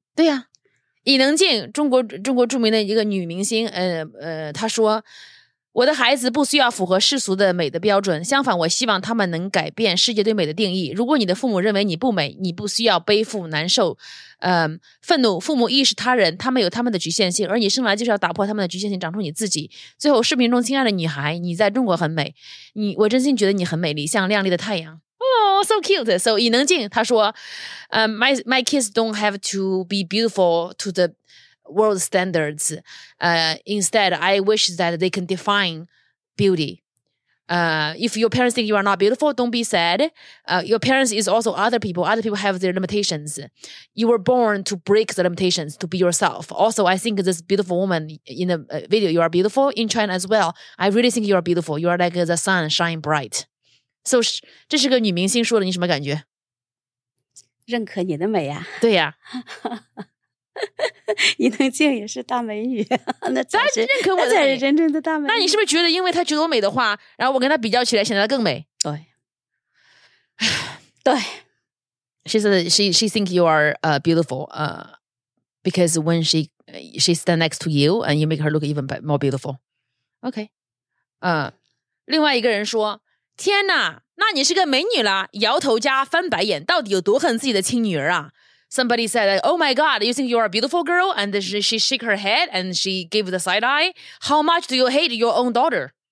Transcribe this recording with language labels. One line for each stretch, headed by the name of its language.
Chinese: 对呀、啊，伊能静，中国著名的一个女明星，她说，我的孩子不需要符合世俗的美的标准，相反，我希望他们能改变世界对美的定义。如果你的父母认为你不美，你不需要背负难受，愤怒。父母亦是他人，他们有他们的局限性，而你生来就是要打破他们的局限性，长出你自己。最后，视频中，亲爱的女孩，你在中国很美，我真心觉得你很美丽，像亮丽的太阳。
English: So cute. So
Chinese: 伊能静她说，
English: my kids don't have to be beautiful to the world standards. Instead, I wish that they can define beauty. If your parents think you are not beautiful, don't be sad. Your parents is also other people. Other people have their limitations. You were born to break the limitations, to be yourself. Also, I think this beautiful woman in the video, you are beautiful in China as well. I really think you are beautiful. You are like the sun shining bright.
Chinese: So, 这是个女明星说的，你什么感觉？认可你的美啊。对呀。伊能静也是大美女，那才是认可我的，那才是真正的大美女。那你是不是觉得，因为她觉得我美的话，然后我跟她比较起来，显得她更美？对，对。
English: She think you are beautiful. Because when she stand next to you, and you make her look even more beautiful. Okay.
Chinese: 另外一个人说：“天哪，那你是个美女啦！” 摇头加翻白眼，到底有多恨自己的亲女儿啊？
English: Somebody said, oh my god, you think you are a beautiful girl? And she shook her head and she gave the side eye. How much do you hate your own daughter?